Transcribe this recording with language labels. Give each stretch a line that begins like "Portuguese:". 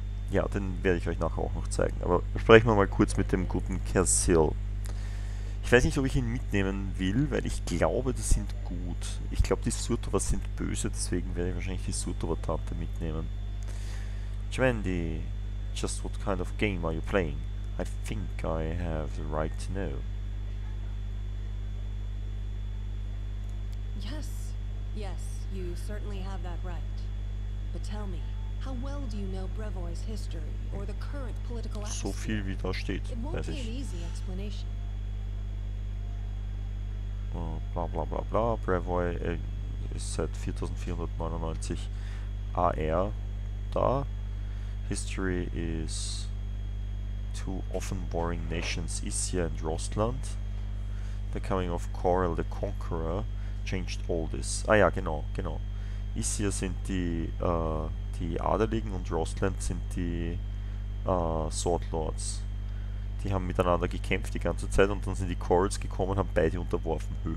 German: Ja, den werde ich euch nachher auch noch zeigen. Aber sprechen wir mal kurz mit dem guten Kersil. Ich weiß nicht, ob ich ihn mitnehmen will, weil ich glaube, die sind gut. Ich glaube, die Surtovers sind böse, deswegen werde ich wahrscheinlich die Surtover-Tante mitnehmen.
English: Jamandi, just what kind of game are you playing? I think I have the right to know. Yes, yes, you certainly have that right. But tell me, how well do you know Brevoy's history or the current political atmosphere?
German: So viel wie da steht,
English: it won't
German: weiß
English: be
German: ich.
English: An easy explanation.
German: Blah blah blah blah. Brevoy, ist seit 4499 AR da.
English: History is two often warring nations, Issia and Rostland. The coming of Coral the Conqueror changed all this.
German: Ah ja, genau, genau. Issia sind die, die Adeligen und Rostland sind die Swordlords. Die haben miteinander gekämpft die ganze Zeit und dann sind die Corals gekommen und haben beide unterworfen.